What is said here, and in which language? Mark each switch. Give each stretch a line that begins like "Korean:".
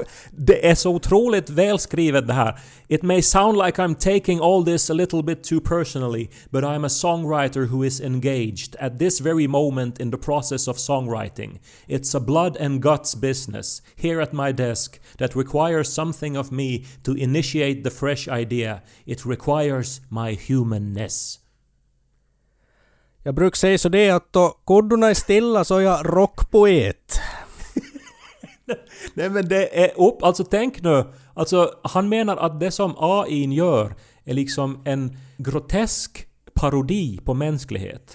Swedish: Det är så otroligt välskrivet det här.
English: "It may sound like I'm taking all this a little bit too personally, but I'm a songwriter who is engaged at this very moment in the process of songwriting. It's a blood and guts business here at my desk that requires something of me to initiate the fresh idea. It requires my humanness."
Swedish: Jag brukar säga så det att då kodorna är stilla så är jag rockpoet. Nej, men det är upp. Alltså tänk nu. Alltså han menar att det som AI gör är liksom en grotesk parodi på mänsklighet.